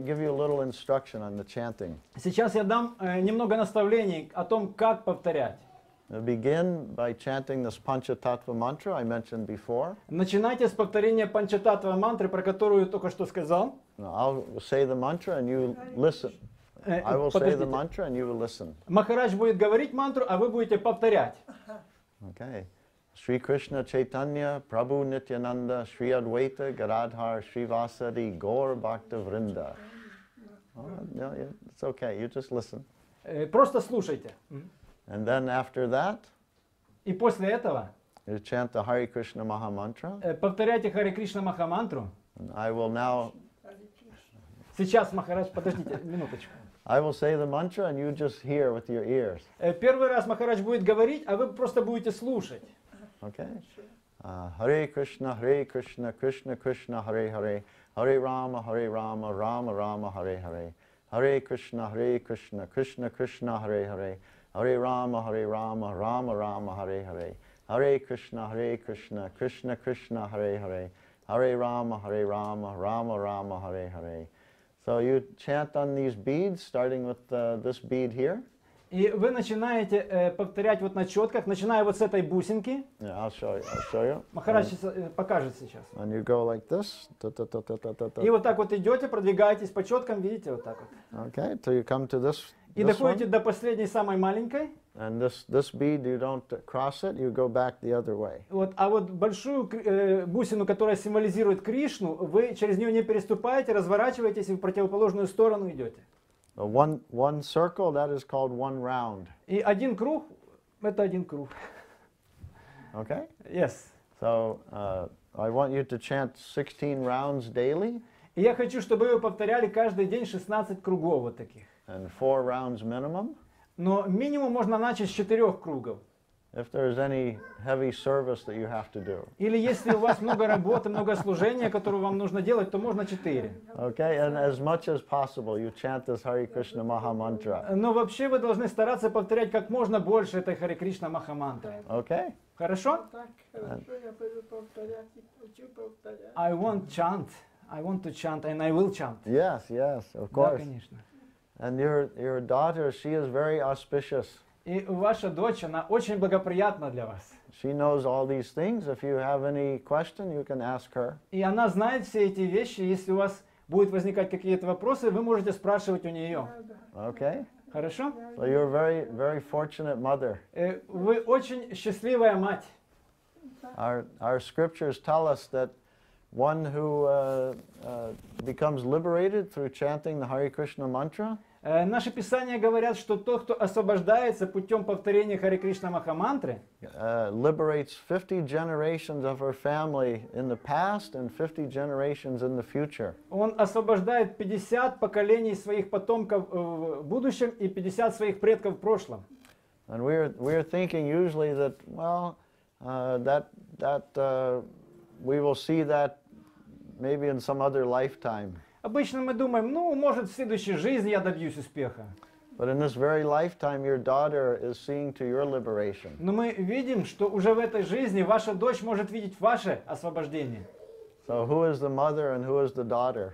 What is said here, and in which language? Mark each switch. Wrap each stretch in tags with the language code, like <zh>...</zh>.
<en>Give you a little instruction on the chanting.</en> <ru>Сейчас я дам немного наставлений о том, как повторять.</ru> <en>We'll begin by chanting this Panchatattva mantra I mentioned before.</en> <ru>Начинайте с повторения Панчататва мантры, про которую я только что сказал.</ru> <en>I'll say the mantra and you listen. I will say the mantra and you will listen.</en> <ru>Махарадж будет говорить мантру, а вы будете повторять.</ru> <en>Okay. Sri Krishna Chaitanya Prabhu Nityananda Sri Advaita Garadhar Sri Vasadi Gaur Bhakta Vrinda. It's okay. You just listen.</en> <ru>Просто слушайте.</ru> <en>And then after that,</en> <ru>и после этого,</ru> <en>you chant the Hare Krishna Maha Mantra.</en> <ru>Повторяйте Hare Krishna Maha Mantra.</ru> <en>I will now.</en> <ru>Сейчас, Махарадж, подождите минуточку.</ru> <en>I will say the mantra and you just hear with your ears.</en> <ru>Первый раз Махарадж будет говорить, а вы просто будете слушать.</ru> <en>Okay. Hare Krishna, Hare Krishna, Krishna Krishna, Hare Hare. Hare Rama, Hare Rama, Rama Rama, Hare Hare. Hare Krishna, Hare Krishna, Krishna Krishna, Hare Hare. Hare Rama, Hare Rama, Rama Rama, Hare Hare. Hare Krishna, Hare Krishna, Krishna Krishna, Hare Hare. Hare Rama, Hare Rama, Rama Rama, Hare Hare. So you chant on these beads, starting with this bead here.</en> <ru>И вы начинаете повторять вот на четках, начиная вот с этой бусинки.</ru> <en>Yeah, I'll show you.</en> <ru>Махарадж покажет сейчас.</ru> <en>And you go like this.</en> <ru>И вот так вот идете, продвигаетесь по четкам, видите, вот так вот.</ru> <en>Okay, so you come to this.</en> <ru>И доходите до последней самой маленькой.</ru> <en>And this bead, you don't cross it, you go back the other way.</en> <ru>Вот, а вот большую бусину, которая символизирует Кришну, вы через нее не переступаете, разворачиваетесь и в противоположную сторону идете.</ru> <en>One circle, that is called one round.</en> <ru>И один круг, это один круг.</ru> <en>Okay? Yes. So, I want you to chant 16 rounds daily.</en> <ru>И я хочу, чтобы вы повторяли каждый день 16 кругов вот таких.</ru> <en>And 4 rounds minimum.</en> <ru>Но минимум можно начать с 4 кругов.</ru> <en>If there is any heavy service that you have to do.</en> <ru>Или если у вас много работы, много служения, которое вам нужно делать, то можно 4.</ru> <en>Okay, and as much as possible, you chant this Hare Krishna Maha Mantra.</en> <ru>Но вообще вы должны стараться повторять как можно больше этой Hare Krishna Maha Mantra.</ru> <en>Okay.</en> <ru>Хорошо? Так, хорошо, я буду повторять и хочу повторять.</ru> <en>I want chant, I want to chant, and I will chant. Yes, yes, of course.</en> <ru>Да, конечно.</ru> <en>And your daughter, she is very auspicious.</en> <ru>И ваша дочь, она очень благоприятна для вас.</ru> <en>She knows all these things. If you have any question, you can ask her.</en> <ru>И она знает все эти вещи. Если у вас будут возникать какие-то вопросы, вы можете спрашивать у нее. Okay. Хорошо?</ru> <en>So you're a very, very fortunate mother.</en> <ru>Вы очень счастливая мать.</ru> <en>Our scriptures tell us that one who becomes liberated through chanting the Hare Krishna mantra.</en> <ru>Наши писания говорят, что тот, кто освобождается путем повторения Харе Кришна Маха Мантры,</ru> <en>liberates 50 generations of her family in the past and 50 generations in the future.</en> <ru>Он освобождает 50 поколений своих потомков в будущем и 50 своих предков в прошлом.</ru> <en>And we are thinking usually that, well, we will see that maybe in some other lifetime.</en> <ru>Обычно мы думаем, ну, может, в следующей жизни я добьюсь успеха.</ru> <en>But in this very lifetime, your daughter is seeing to your liberation.</en> <ru>Но мы видим, что уже в этой жизни ваша дочь может видеть ваше освобождение.</ru> <en>So who is the mother and who is the daughter?</en>